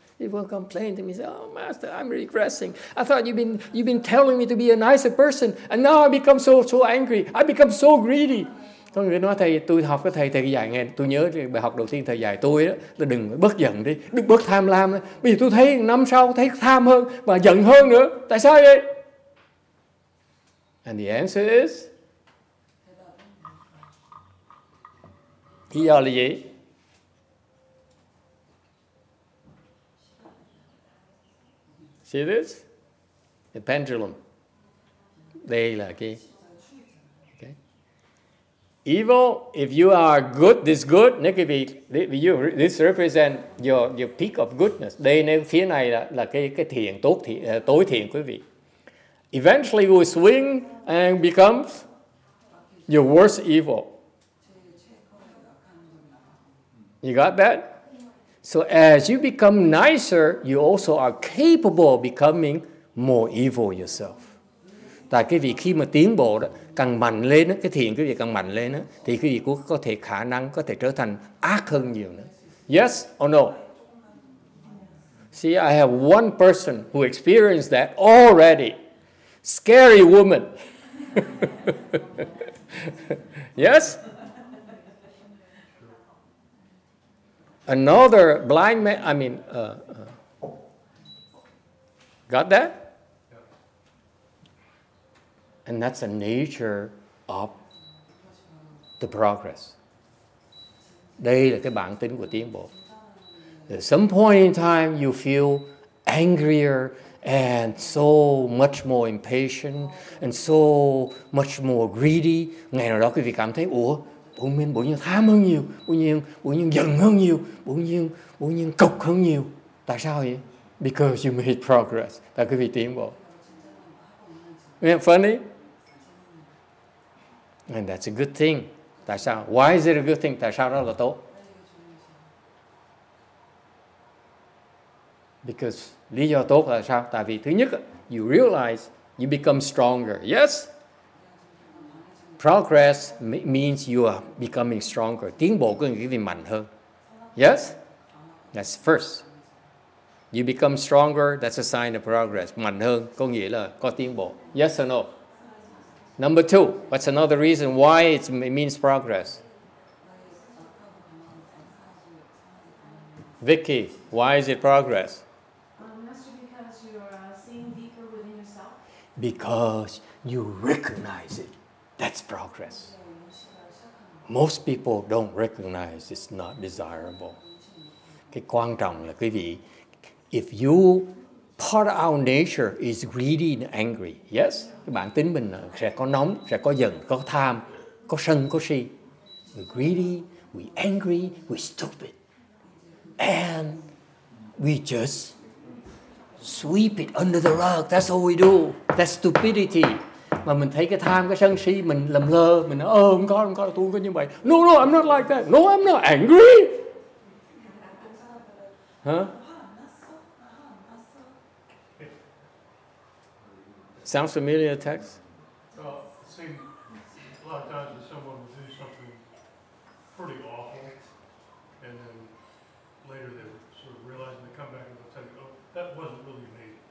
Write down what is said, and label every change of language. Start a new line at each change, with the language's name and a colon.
English: People complain to me, say, oh, Master, I'm regressing. I thought you've been telling me to be a nicer person, and now I become so angry. I become so greedy.
Vietnamese: Có người nói, thầy, tôi học với thầy, thầy dạy nghe, tôi nhớ bài học đầu tiên thầy dạy tôi đó, là đừng bớt giận đi, đừng bớt tham lam đi. Bây giờ tôi thấy năm sau thấy tham hơn và giận hơn nữa. Tại sao vậy?
English: And the answer is?
Vietnamese: Lý do là gì?
English: See this? The pendulum. Đây là cái... Evil, if you are good, this good, this represents your peak of goodness.
Vietnamese: Đây nên phía này là cái thiện, tốt thiện, tối thiện quý vị.
English: Eventually will swing and becomes your worst evil. You got that? So as you become nicer, you also are capable of becoming more evil yourself.
Vietnamese: Tại cái vị khi mà tiến bộ đó, càng mạnh lên đó, cái thiện cái vị càng mạnh lên đó, thì cái vị cũng có thể khả năng có thể trở thành ác hơn nhiều nữa.
English: Yes or no? See, I have one person who experienced that already. Scary woman. Yes? Another blind man, I mean, got that? And that's the nature of the progress.
Vietnamese: Đây là cái bản tính của tiến bộ.
English: At some point in time, you feel angrier and so much more impatient and so much more greedy.
Vietnamese: Ngày nào đó quý vị cảm thấy, ủa, bỗng nhiên tham hơn nhiều, bỗng nhiên giận hơn nhiều, bỗng nhiên cục hơn nhiều. Tại sao vậy?
English: Because you made progress.
Vietnamese: Là quý vị tiến bộ.
English: Isn't that funny? And that's a good thing.
Vietnamese: Tại sao?
English: Why is it a good thing?
Vietnamese: Tại sao đó là tốt? Because lý do tốt là sao? Tại vì thứ nhất,
English: you realize you become stronger. Yes? Progress means you are becoming stronger.
Vietnamese: Tiến bộ có nghĩa là mạnh hơn.
English: Yes? That's first. You become stronger, that's a sign of progress.
Vietnamese: Mạnh hơn có nghĩa là có tiến bộ.
English: Yes or no? Number two, what's another reason why it means progress? Vicky, why is it progress? Master, because you are seeing deeper within yourself. Because you recognize it. That's progress. Most people don't recognize it's not desirable.
Vietnamese: Cái quan trọng là quý vị,
English: if you part of our nature is greedy and angry.
Vietnamese: Yes, bản tính mình sẽ có nóng, sẽ có giận, có tham, có sân, có si.
English: We're greedy, we're angry, we're stupid. And we just sweep it under the rug. That's all we do. That's stupidity.
Vietnamese: Mà mình thấy cái tham, cái sân si, mình lầm lơ. Mình nói, không có, tôi không có như vậy.
English: No, no, I'm not like that. No, I'm not angry. Huh? Sounds familiar, text? A lot of times when someone will do something pretty awful, and then later they sort of realize and they come back and they'll tell you, oh, that wasn't really me.